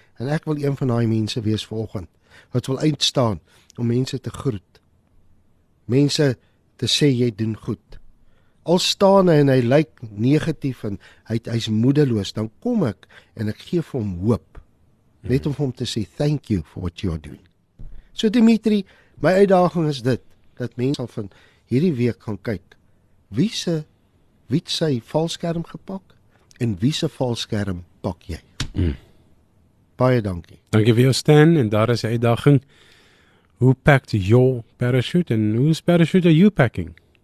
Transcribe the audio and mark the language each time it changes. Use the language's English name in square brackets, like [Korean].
[Afrikaans] En ek wil een van daai mense wees vanoggend. Wat wil uitstaan om mense te groet. Mense te sê jy doen goed. Al staan hy en hy lyk negatief en hy is moedeloos, dan kom ek en ek gee vir hom hoop. Net om vir hom te sê, [English] thank you for what you are doing. [Afrikaans] So Dimitri, my uitdaging is dit, dat mense sal van hierdie week gaan kyk, wie sy valskerm gepak en wie se valskerm pak jy? Baie dankie. Dankie vir jou Stan en daar is die uitdaging. [English] Who packed your parachute and whose parachute are you packing?